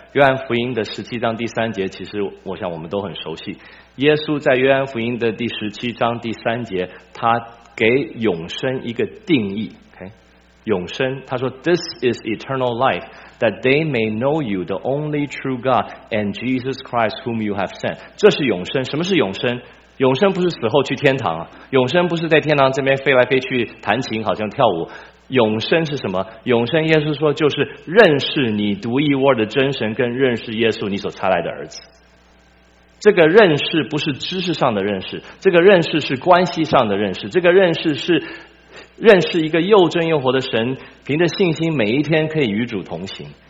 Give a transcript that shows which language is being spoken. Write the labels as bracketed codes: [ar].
[zh] 约翰福音的17章第3节，其实我想我们都很熟悉。耶稣在约翰福音的17章第3节，他给永生一个定义。 [en] Okay? [zh] 永生，他说 [en] ：“This is eternal life, that they may know you, the only true God, and Jesus Christ, whom you have sent。” [zh] 这是永生。什么是永生？永生不是死后去天堂啊！永生不是在天堂这边飞来飞去弹琴，好像跳舞。永生是什么？永生耶稣说就是认识你独一无二的真神，跟认识耶稣你所差来的儿子。这个认识不是知识上的认识，这个认识是关系上的认识，这个认识是认识一个又真又活的神，凭着信心每一天可以与主同行。